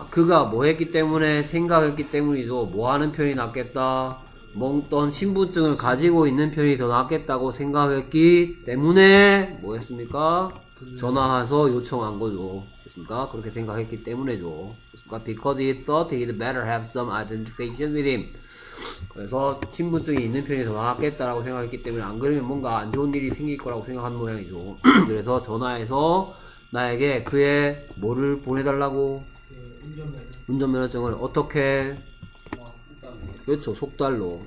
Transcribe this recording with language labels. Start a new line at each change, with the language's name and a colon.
Korean: 그가 뭐 했기 때문에 생각했기 때문이죠. 뭐 하는 편이 낫겠다. 멍떤 신분증을 가지고 있는 편이 더 낫겠다고 생각했기 때문에 뭐 했습니까? 전화해서 요청한 거죠. 됐습니까? 그렇게 생각했기 때문에죠. 됐습니까?
English: Because he thought he'd better have some identification with him.
Korean: 그래서 신분증이 있는 편이 더 낫겠다라고 생각했기 때문에 안 그러면 뭔가 안 좋은 일이 생길 거라고 생각한 모양이죠. 그래서 전화해서 나에게 그의 뭐를 보내달라고? 그 운전면허증. 운전면허증을 어떻게? 그렇죠. 속달로.